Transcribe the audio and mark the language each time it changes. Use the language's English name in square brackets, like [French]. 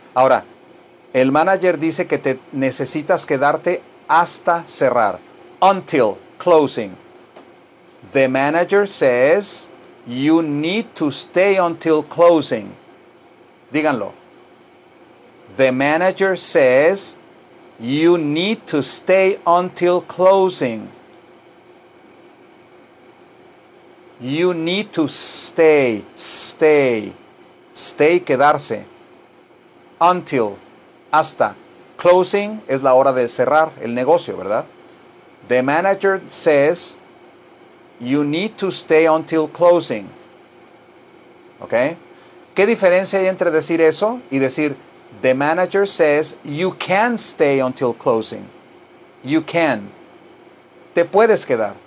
[Spanish] Ahora, el manager dice que te necesitas quedarte hasta cerrar. [English] Until closing. The manager says, you need to stay until closing. Díganlo. The manager says, you need to stay until closing. You need to stay, quedarse. Until, hasta. [Spanish] Closing es la hora de cerrar el negocio, ¿verdad? [English] The manager says, you need to stay until closing. [Spanish] ¿Ok? ¿Qué diferencia hay entre decir eso y decir, [English] the manager says, you can stay until closing? You can. [Spanish] Te puedes quedar.